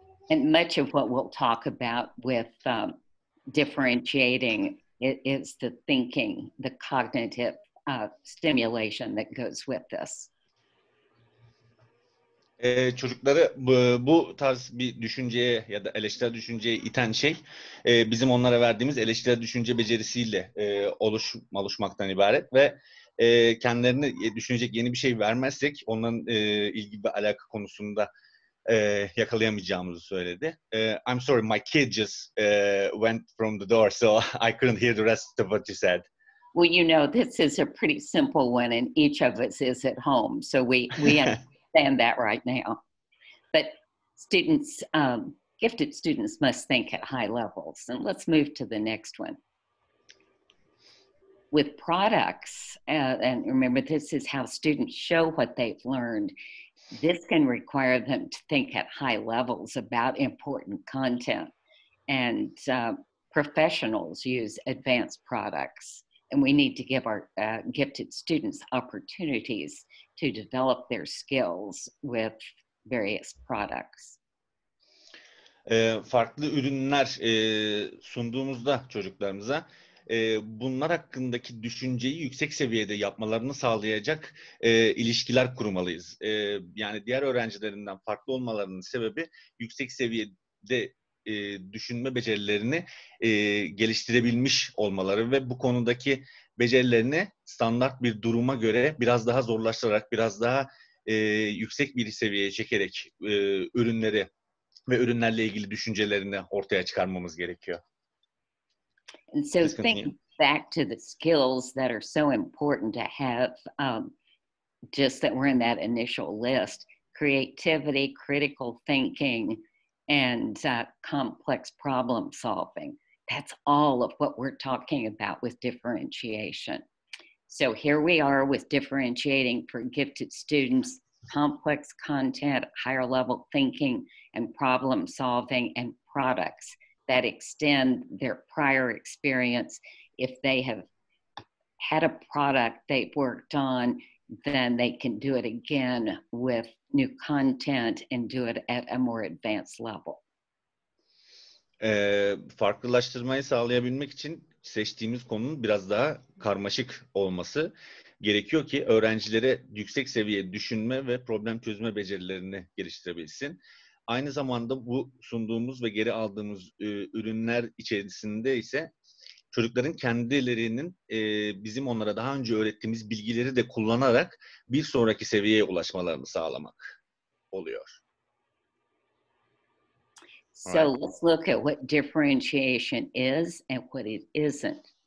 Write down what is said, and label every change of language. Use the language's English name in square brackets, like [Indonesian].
[English] And much of what we'll talk about with differentiating is the thinking, the cognitive stimulation that goes with this. [Turkish] Çocukları bu tarz bir düşünceye ya da eleştirel düşünceye iten şey bizim onlara verdiğimiz eleştirel düşünce becerisiyle oluşmaktan ibaret ve kendilerine düşünecek yeni bir şey vermezsek onların ilgi ve alaka konusunda yakalayamayacağımızı söyledi. [English] I'm sorry, my kid just went from the door, so I couldn't hear the rest of what you said. Well, you know, this is a pretty simple one, and each of us is at home, so we understand that right now. But students, gifted students must think at high levels. And let's move to the next one. With products, and remember, this is how students show what they've learned. This can require them to think at high levels about important content. And professionals use advanced products. And we need to give our gifted students opportunities to develop their skills with various products. [Turkish] Farklı ürünler sunduğumuzda çocuklarımıza bunlar hakkındaki düşünceyi yüksek seviyede yapmalarını sağlayacak ilişkiler kurmalıyız. Yani diğer öğrencilerinden farklı olmalarının sebebi yüksek seviyede düşünme becerilerini geliştirebilmiş olmaları ve bu konudaki becerilerini standart bir duruma göre biraz daha zorlaştırarak, biraz daha yüksek bir seviyeye çekerek ürünleri ve ürünlerle ilgili düşüncelerini ortaya çıkarmamız gerekiyor. [English] And so think back to the skills that are so important to have, just that were in that initial list, creativity, critical thinking, and complex problem solving. That's all of what we're talking about with differentiation. So here we are with differentiating for gifted students, complex content, higher level thinking, and problem solving, and products that extend their prior experience. If they have had a product they've worked on, then they can do it again with new content and do it at a more advanced level. [Turkish] Farklılaştırmayı sağlayabilmek için seçtiğimiz konunun biraz daha karmaşık olması gerekiyor ki öğrencilere yüksek seviye düşünme ve problem çözme becerilerini geliştirebilsin. Aynı zamanda bu sunduğumuz ve geri aldığımız ürünler içerisinde ise çocukların kendilerinin bizim onlara daha önce öğrettiğimiz bilgileri de kullanarak bir sonraki seviyeye ulaşmalarını sağlamak oluyor. [English] So let's look at what differentiation is and what it isn't.